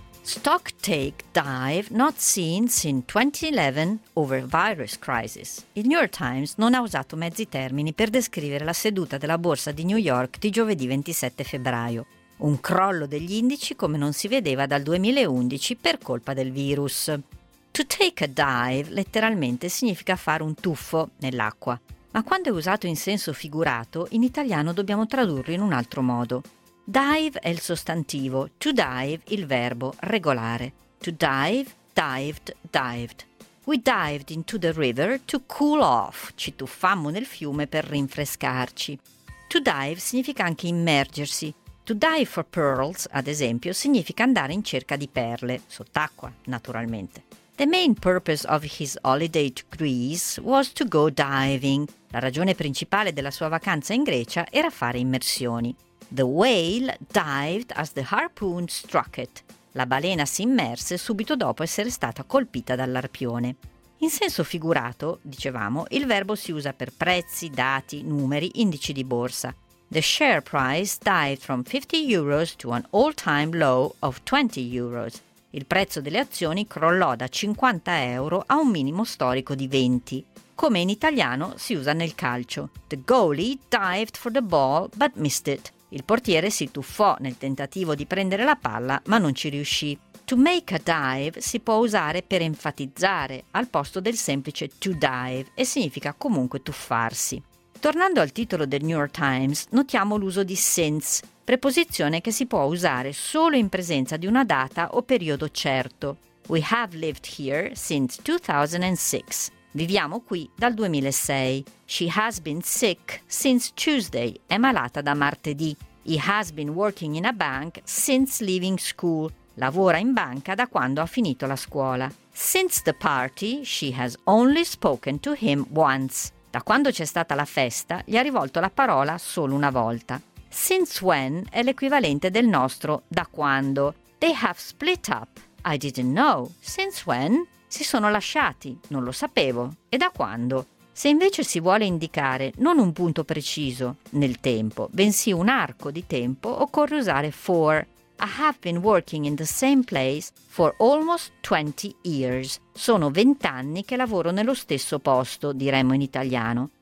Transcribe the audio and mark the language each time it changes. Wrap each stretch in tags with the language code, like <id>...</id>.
<en>Stock take dive not seen since 2011 over virus crisis.</en> <it>Il New York Times non ha usato mezzi termini per descrivere la seduta della borsa di New York di giovedì 27 febbraio. Un crollo degli indici come non si vedeva dal 2011 per colpa del virus.</it> <en>To take a dive</en> <it>letteralmente significa fare un tuffo nell'acqua. Ma quando è usato in senso figurato, in italiano dobbiamo tradurlo in un altro modo. Dive è il sostantivo, to dive il verbo regolare.</it> <en>To dive, dived, dived. We dived into the river to cool off.</en> <it>Ci tuffammo nel fiume per rinfrescarci. To dive significa anche immergersi.</it> <en>To dive for pearls,</en> <it>ad esempio, significa andare in cerca di perle, sott'acqua, naturalmente.</it> <en>The main purpose of his holiday to Greece was to go diving.</en> <it>La ragione principale della sua vacanza in Grecia era fare immersioni.</it> <en>The whale dived as the harpoon struck it.</en> <it>La balena si immerse subito dopo essere stata colpita dall'arpione. In senso figurato, dicevamo, il verbo si usa per prezzi, dati, numeri, indici di borsa.</it> <en>The share price dived from 50 euros to an all-time low of 20 euros.</en> <it>Il prezzo delle azioni crollò da 50 euro a un minimo storico di 20. Come in italiano si usa nel calcio.</it> <en>The goalie dived for the ball but missed it.</en> <it>Il portiere si tuffò nel tentativo di prendere la palla ma non ci riuscì. To make a dive si può usare per enfatizzare al posto del semplice to dive e significa comunque tuffarsi. Tornando al titolo del New York Times, notiamo l'uso di since, preposizione che si può usare solo in presenza di una data o periodo certo.</it> <en>We have lived here since 2006.</en> <it>Viviamo qui dal 2006.</it> <en>She has been sick since Tuesday.</en> <it>È malata da martedì.</it> <en>He has been working in a bank since leaving school.</en> <it>Lavora in banca da quando ha finito la scuola.</it> <en>Since the party, she has only spoken to him once.</en> <it>Da quando c'è stata la festa, gli ha rivolto la parola solo una volta. Since when è l'equivalente del nostro da quando.</it> <en>They have split up. I didn't know. Since when?</en> <it>Si sono lasciati. Non lo sapevo. E da quando? Se invece si vuole indicare non un punto preciso nel tempo, bensì un arco di tempo, occorre usare for.</it> <en>I have been working in the same place for almost 20 years.</en> <it>Sono 20 anni che lavoro nello stesso posto, diremmo in italiano.</it>